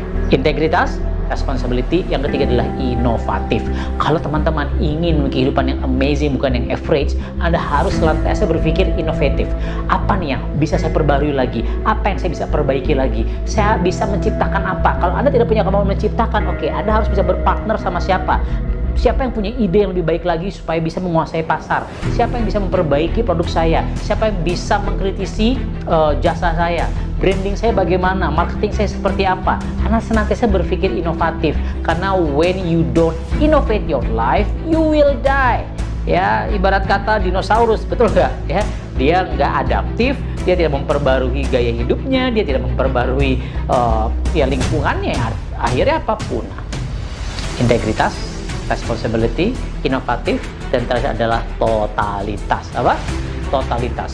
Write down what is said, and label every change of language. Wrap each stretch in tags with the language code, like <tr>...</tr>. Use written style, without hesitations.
<id>Integritas, responsibility. Yang ketiga adalah inovatif. Kalau teman-teman ingin memiliki kehidupan yang amazing, bukan yang average, Anda harus selantiasa berpikir inovatif. Apa nih yang bisa saya perbarui lagi? Apa yang saya bisa perbaiki lagi? Saya bisa menciptakan apa? Kalau Anda tidak punya kemampuan menciptakan, oke, Anda harus bisa berpartner sama siapa? Siapa yang punya ide yang lebih baik lagi supaya bisa menguasai pasar? Siapa yang bisa memperbaiki produk saya? Siapa yang bisa mengkritisi jasa saya? Branding saya bagaimana? Marketing saya seperti apa? Karena senantiasa berpikir inovatif. Karena</id> <en>when you don't innovate your life, you will die.</en> <id>Ya, ibarat kata dinosaurus, betul nggak? Ya, dia nggak adaptif, dia tidak memperbarui gaya hidupnya, dia tidak memperbarui ya lingkungannya. Akhirnya apapun, integritas, responsibility, inovatif, dan terakhir adalah totalitas. Apa? Totalitas.</id>